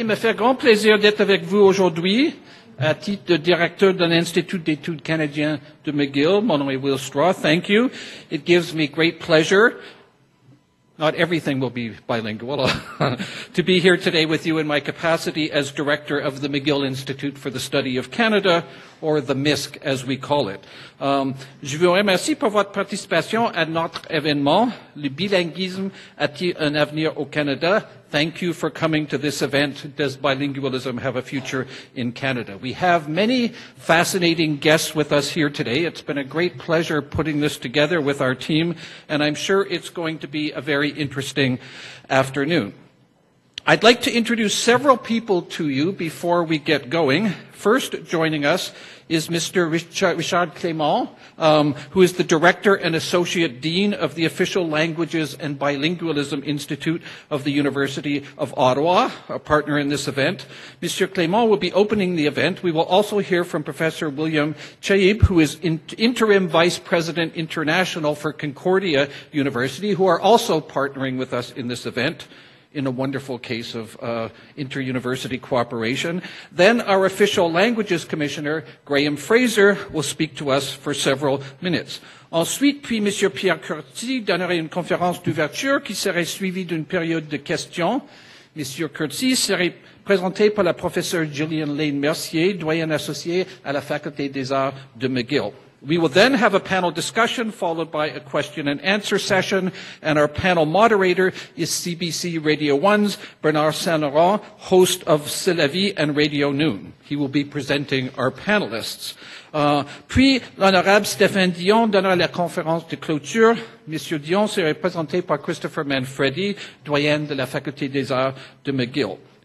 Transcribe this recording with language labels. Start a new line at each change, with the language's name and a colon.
French: Il me fait grand plaisir d'être avec vous aujourd'hui à titre de directeur de l'Institut d'études canadiennes de McGill. Mon nom est Will Straw.
English: Thank you. It gives me great pleasure. Not everything will be bilingual. To be here today with you in my capacity as director of the McGill Institute for the Study of Canada, or the MISC as we call it.
French: Je vous remercie pour votre participation à notre événement. Le bilinguisme a-t-il un avenir au Canada?
English: Thank you for coming to this event. Does bilingualism have a future in Canada? We have many fascinating guests with us here today. It's been a great pleasure putting this together with our team, and I'm sure it's going to be a very interesting afternoon. I'd like to introduce several people to you before we get going. First joining us is Mr. Richard Clément, who is the Director and Associate Dean of the Official Languages and Bilingualism Institute of the University of Ottawa, a partner in this event. Mr. Clément will be opening the event. We will also hear from Professor William Chaib, who is Interim Vice President International for Concordia University, who are also partnering with us in this event, in a wonderful case of inter-university cooperation. Then our official languages commissioner, Graham Fraser, will speak to us for several minutes.
French: Ensuite, puis M. Pierre Curti donnerait une conférence d'ouverture qui serait suivie d'une période de questions. M. Curti serait présenté par la professeure Gillian Lane Mercier, doyenne associée à la Faculté des Arts de McGill.
English: We will then have a panel discussion followed by a question and answer session, and our panel moderator is CBC Radio 1's Bernard Saint-Laurent, host of C'est la vie and Radio Noon. He will be presenting our panelists.
French: Puis l'honorable Stéphane Dion donnera la conférence de clôture. Monsieur Dion serait présenté par Christopher Manfredi, doyen de la Faculté des Arts de McGill.